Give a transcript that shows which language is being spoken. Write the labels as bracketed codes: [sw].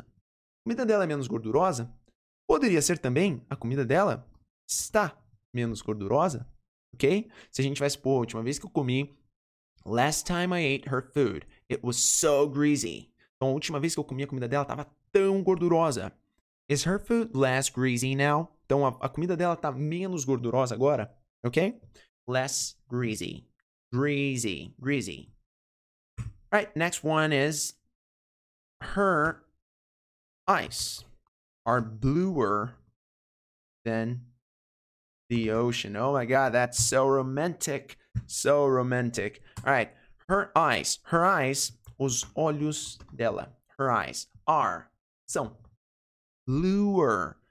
[pt] A comida dela é menos gordurosa? Poderia ser também a comida dela está menos gordurosa, ok? Se a gente vai supor, a última vez que eu comi, [en] last time I ate her food, it was so greasy. [pt] Então, a última vez que eu comi a comida dela estava tão gordurosa. [en] Is her food less greasy now? [pt] Então, a comida dela está menos gordurosa agora, ok? [en] Less greasy. Greasy. All right, next one is her eyes are bluer than the ocean. Oh my God, that's so romantic. So romantic. All right, her eyes, [pt] os olhos dela, [en] her eyes are, [pt] são, [en] bluer.